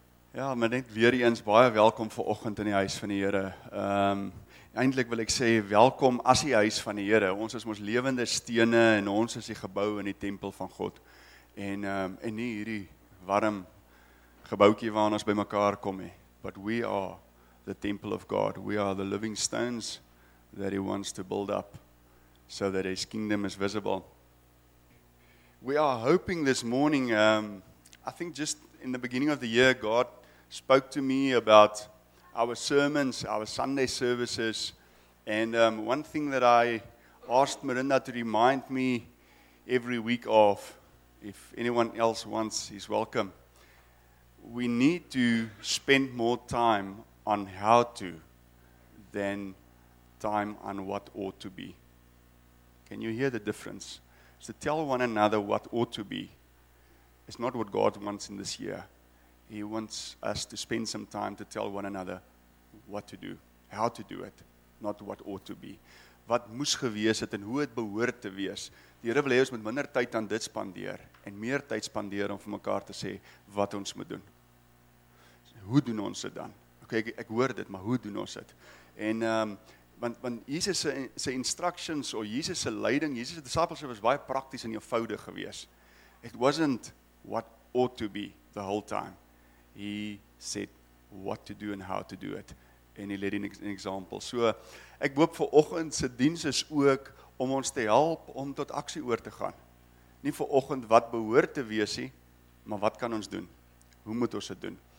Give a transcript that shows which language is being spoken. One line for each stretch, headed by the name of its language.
Afrikaans: Ja, maar net weer eens baie welkom vir oggend in die huis van die Here. Eindelijk wil ek sê welkom as die huis van die Here. Ons is ons lewende stene en ons is die gebou in die tempel van God. En nie hierdie warm gebouwtjie waar ons by mekaar kom nie.
English: But we are the temple of God. We are the living stones that he wants to build up so that his kingdom is visible. We are hoping this morning, I think just in the beginning of the year, God spoke to me about our sermons, our Sunday services, and one thing that I asked Miranda to remind me every week of, if anyone else wants, he's welcome. We need to spend more time on how to than time on what ought to be. Can you hear the difference? So tell one another what ought to be. It's not what God wants in this year. He wants us to spend some time to tell one another what to do, how to do it, not what ought to be.
Afrikaans: Wat moes gewees het en hoe het behoort te wees. Die Here wil hê ons moet minder tyd aan dit spandeer en meer tyd spandeer om vir mekaar te sê wat ons moet doen. Hoe doen ons dit dan? Okay, ek hoor dit, maar hoe doen ons dit? En want Jesus se instructions of Jesus se leiding, Jesus se disippelskap was baie prakties en eenvoudig gewees.
English: It wasn't what ought to be the whole time. He said what to do and how to do it. And he led an example.
Afrikaans: So, ek hoop vir oggend se diens is ook om ons te help om tot aksie oor te gaan. Nie vir oggend wat behoort te wees nie, maar wat kan ons doen? Hoe moet ons dit doen?